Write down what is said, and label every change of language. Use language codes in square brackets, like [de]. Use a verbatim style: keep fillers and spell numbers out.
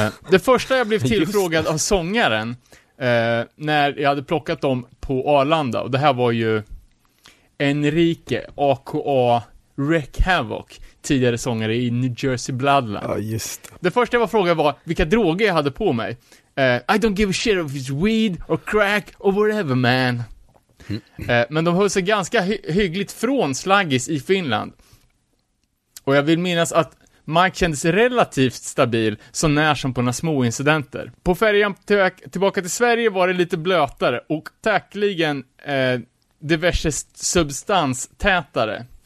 [sv] Det första jag blev tillfrågad av sångaren när jag hade plockat dem på Arlanda, och det här var ju Enrique, A K A Wreck Havoc, tidigare sångare i New Jersey Bloodline. Ja, just. Det första jag var frågan var vilka droger jag hade på mig. [en] Uh, I don't give a shit if it's weed or crack or whatever, man. Mm. [sv] Uh, men de höll sig ganska hy- hyggligt från slaggis i Finland. Och jag vill minnas att Mike kändes relativt stabil, så när som på några små incidenter. På färjan t- tillbaka till Sverige var det lite blötare och tackligen... Uh, diverse substanstätare.